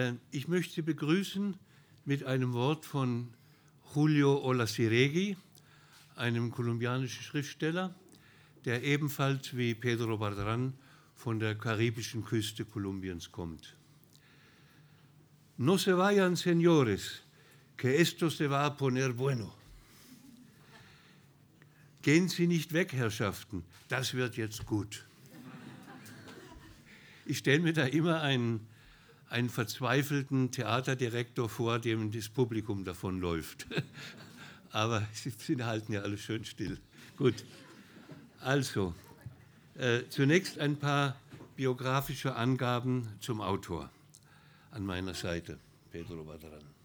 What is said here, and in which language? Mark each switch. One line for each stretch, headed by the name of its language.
German: Ich möchte Sie begrüßen mit einem Wort von Julio Olaciregui, einem kolumbianischen Schriftsteller, der ebenfalls wie Pedro Badran von der karibischen Küste Kolumbiens kommt.
Spanish: No se vayan, señores, que esto se va a poner bueno.
German: Gehen Sie nicht weg, Herrschaften, das wird jetzt gut. Ich stelle mir da immer einen verzweifelten Theaterdirektor vor, dem das Publikum davonläuft. Aber sie halten ja alles schön still. Gut, also, zunächst ein paar biografische Angaben zum Autor an meiner Seite, Pedro Badran.